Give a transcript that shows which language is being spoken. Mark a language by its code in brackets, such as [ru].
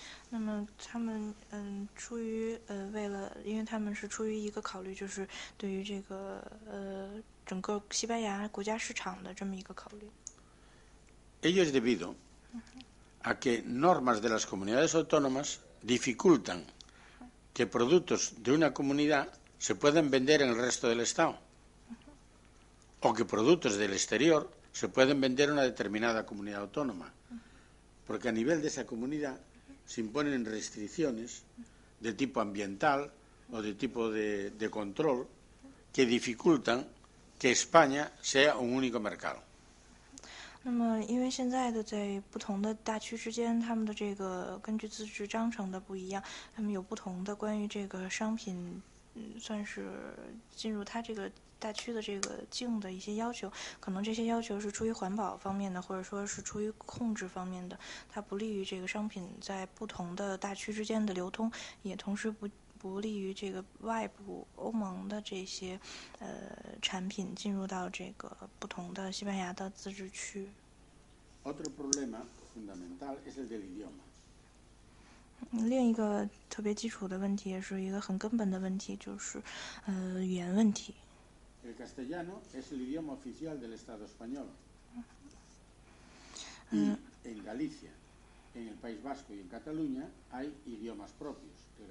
[zh] 那么他们出于为了，因为他们是出于一个考虑，就是对于这个整个西班牙国家市场的这么一个考虑。 [es] Ello es debido a que normas de las comunidades autónomas dificultan que productos de una comunidad se puedan vender en el resto del Estado o que productos del exterior se pueden vender en una determinada comunidad autónoma. Porque a nivel de esa comunidad se imponen restricciones de tipo ambiental o de tipo de control que dificultan que España sea un único mercado. [zh] 那么因为现在的在不同的大区之间，他们的这个根据自治章程的不一样，他们有不同的关于这个商品算是进入他这个大区的这个境的一些要求，可能这些要求是出于环保方面的，或者说是出于控制方面的，它不利于这个商品在不同的大区之间的流通，也同时不利于这个外部欧盟的这些产品进入到这个不同的西班牙的自治区。 [es] Otro problema fundamental es el del idioma. [zh] 另一个特别基础的问题，也是一个很根本的问题，就是语言问题。 [es] El castellano es el idioma oficial del Estado español. En Galicia, en el País Vasco y en Cataluña hay idiomas propios.